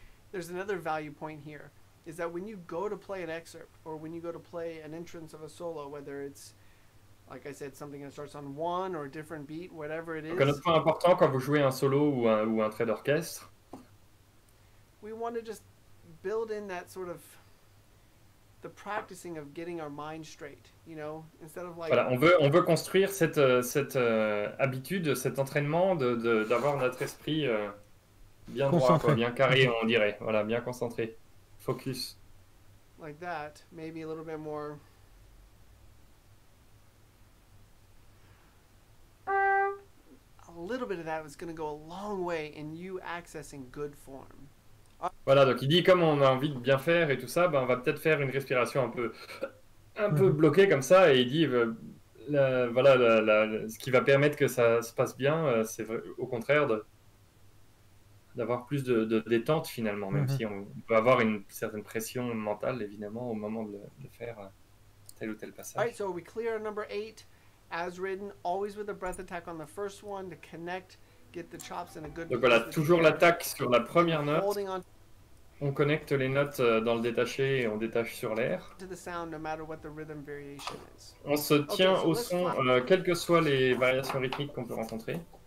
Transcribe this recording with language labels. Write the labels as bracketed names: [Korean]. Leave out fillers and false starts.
[English] there's another value point here, is that when you go to play an excerpt, or when you go to play an entrance of a solo, whether it's, like I said, something that starts on one or a different beat, whatever it is. [French] Donc un autre point important quand vous jouez un solo ou un trait d'orchestre. [English] We want to just build in that sort of the practicing of getting our mind straight, you know, instead of like. [French] Voilà, on veut construire cette habitude, cet entraînement de d'avoir notre esprit bien concentré. Droit, quoi, bien carré, on dirait. Voilà, bien concentré, focus. [English] Like that, maybe a little bit more. A little bit of that was going to go a long way in you accessing good form. [French] Voilà, donc il dit comme on a envie de bien faire et tout ça, ben on va peut-être faire une respiration un peu bloquée comme ça, et il dit ce qui va permettre que ça se passe bien, c'est au contraire d'avoir plus de détente finalement, même si on peut avoir une certaine pression mentale évidemment au moment de faire tel ou tel passage. [English] Alright, so we clear number 8 as written, always with a breath attack on the first one to connect. Get the chops in a good [French] donc voilà, toujours l'attaque sur la première note. On connecte les notes dans le détaché et on détache sur l'air. [English] Sound, no matter what the rhythm variation is. [French] On se tient au son, quelles que soient les variations rythmiques qu'on peut rencontrer.